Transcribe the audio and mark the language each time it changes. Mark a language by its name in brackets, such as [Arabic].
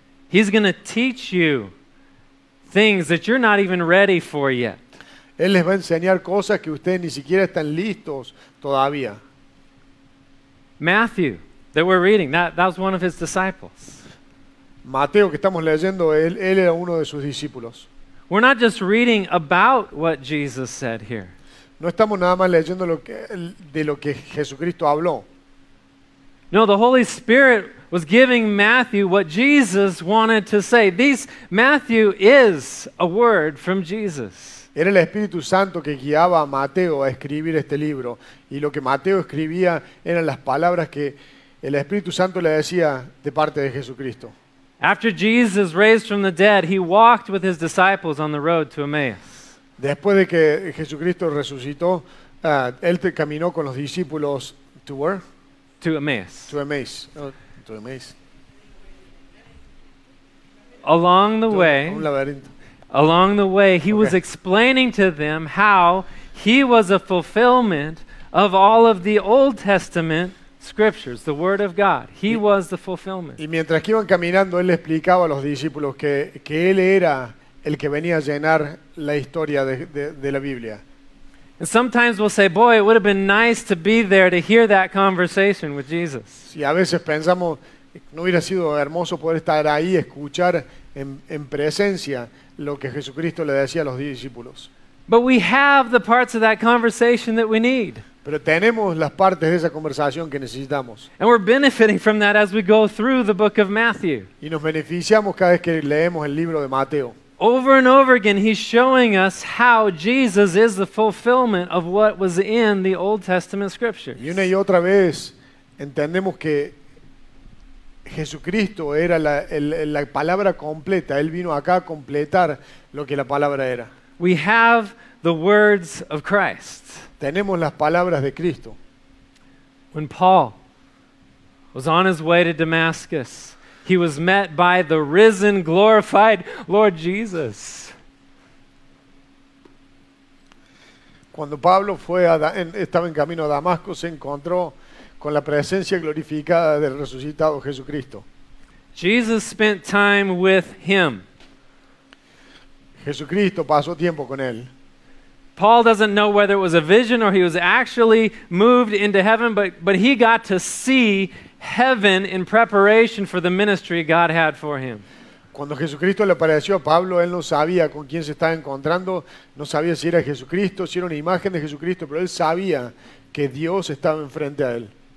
[English] He's going to teach you things that you're not even ready for yet. [Spanish] Él les va a enseñar cosas que ustedes ni siquiera están listos todavía. [English] Matthew, that we're reading, that was one of his disciples. [Spanish] Mateo, que estamos leyendo, él era uno de sus discípulos. [English] We're not just reading about what Jesus said here. [Spanish] No estamos nada más leyendo lo que Jesucristo habló. [English] No, the Holy Spirit was giving Matthew what Jesus wanted to say. Matthew is a word from Jesus. [Spanish] Era el Espíritu Santo que guiaba a Mateo a escribir este libro. Y lo que Mateo escribía eran las palabras que el Espíritu Santo le decía de parte de Jesucristo. [English] After Jesus raised from the dead, he walked with his disciples on the road to Emmaus. [Spanish] Después de que Jesucristo resucitó, él caminó con los discípulos [English] to where? To Emmaus. To Emmaus. To Emmaus. Along the way. [Spanish] Un laberinto. [English] Along the way, he was explaining to them how he was a fulfillment of all of the Old Testament scriptures, the Word of God. He was the fulfillment. [Spanish] Y mientras que iban caminando, él explicaba a los discípulos que él era el que venía a llenar la historia de la Biblia. [English] And sometimes we'll say, boy, it would have been nice to be there to hear that conversation with Jesus. [Spanish] Y a veces pensamos, no hubiera sido hermoso poder estar ahí, escuchar en presencia lo que Jesucristo le decía a los discípulos. [English] But we have the parts of that conversation that we need. [Spanish] Pero tenemos las partes de esa conversación que necesitamos. [English] And we're benefiting from that as we go through the book of Matthew. [Spanish] Y nos beneficiamos cada vez que leemos el libro de Mateo. [English] Over and over again, he's showing us how Jesus is the fulfillment of what was in the Old Testament scriptures. [Spanish] Y una y otra vez entendemos que Jesucristo era la palabra completa. Él vino acá a completar lo que la palabra era. [English] We have the words of Christ. [Spanish] Tenemos las palabras de Cristo. [English] When Paul was on his way to Damascus, he was met by the risen, glorified Lord Jesus. [Spanish] Cuando Pablo fue estaba en camino a Damasco, se encontró con la presencia glorificada del resucitado Jesucristo. [English] Jesus spent time with him. [Spanish] Jesucristo pasó tiempo con él. [English] Paul doesn't know whether it was a vision or he was actually moved into heaven, but he got to see heaven in preparation for the ministry God had for him. [Spanish] Cuando Jesucristo le apareció a Pablo, él no sabía con quién se estaba encontrando, no sabía si era Jesucristo, si era una imagen de Jesucristo, pero él sabía que Dios estaba enfrente a él.